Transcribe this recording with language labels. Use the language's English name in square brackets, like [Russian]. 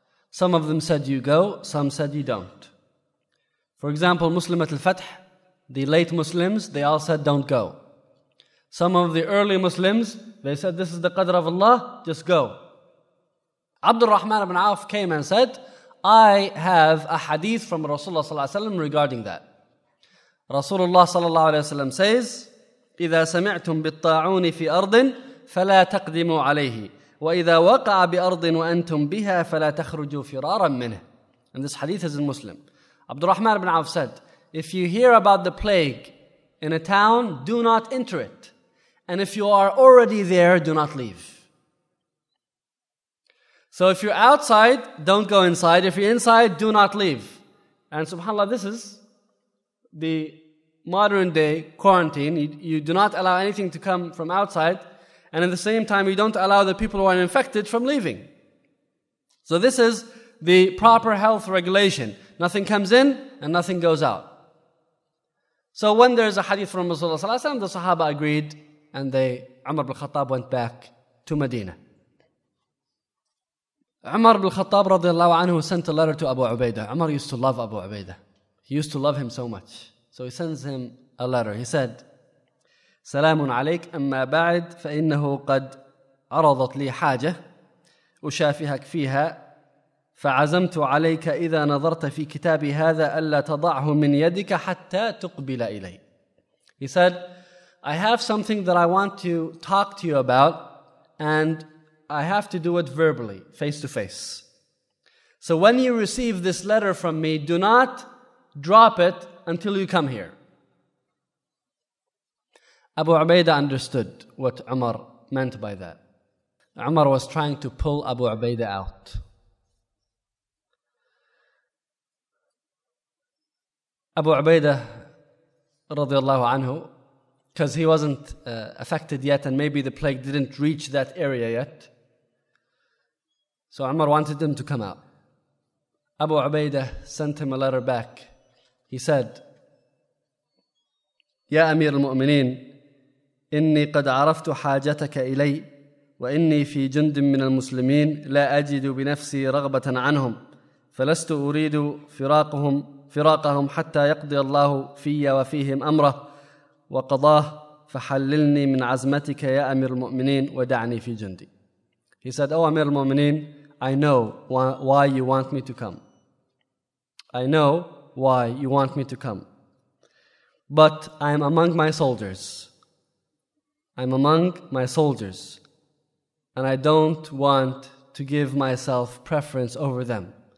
[English] Some of them said you go, some said you don't. For example, Muslimat al-Fath, the late Muslims, they all said don't go. Some of the early Muslims, they said this is the qadr of Allah, just go. Abdul Rahman ibn Auf came and said, I have a hadith from Rasulullah sallallahu alaihi wasallam regarding that. [Arabic] Rasulullah sallallahu alaihi wasallam says, إِذَا سَمِعْتُمْ بِالطَّاعُونِ فِي أَرْضٍ فَلَا تَقْدِمُوا عَلَيْهِ وَإِذَا وَقَعَ بِأَرْضٍ وَأَنْتُمْ بِهَا فَلَا تَخْرُجُوا فِرَارًا مِنْهِ. [English] And this hadith is in Muslim. Abdurrahman ibn Auf said, if you hear about the plague in a town, do not enter it. And if you are already there, do not leave. So if you're outside, don't go inside. If you're inside, do not leave. And subhanAllah, this is the modern day quarantine. You do not allow anything to come from outside. And at the same time, you don't allow the people who are infected from leaving. So this is the proper health regulation. Nothing comes in and nothing goes out. So when there's a hadith from Rasulullah sallallahu alaihi wasallam, the Sahaba agreed and Umar ibn Khattab went back to Medina. Umar ibn Khattab radiallahu anhu sent a letter to Abu Ubaidah. Umar used to love Abu Ubaidah. He used to love him so much. So he sends him a letter. He said, [Arabic] سلام عليك أما بعد فإنه قد عرضت لي حاجة أشافهك فيها فعزمت عليك إذا نظرت في كتابي هذا ألا تضعه من يدك حتى تقبل إلي. [English] He said, I have something that I want to talk to you about and I have to do it verbally, face to face. So when you receive this letter from me, do not drop it until you come here. Abu Ubaidah understood what Umar meant by that. Umar was trying to pull Abu Ubaidah out. Abu Ubaidah radiallahu anhu, because he wasn't affected yet and maybe the plague didn't reach that area yet. So Umar wanted him to come out. Abu Ubaidah sent him a letter back. He said, [Arabic] يا أمير المؤمنين إني قد عرفت حاجتك إلي وإني في جند من المسلمين لا أجد بنفسي رغبة عنهم فلست أريد فراقهم حتى يقضي الله في وفيهم أمره وقضاه فحللني من عزمتك يا أمير المؤمنين ودعني في جندي. [English] He said, oh Amir al-Mu'mineen, I know why you want me to come. I know why you want me to come. But I am among my soldiers. I'm among my soldiers, and I don't want to give myself preference over them.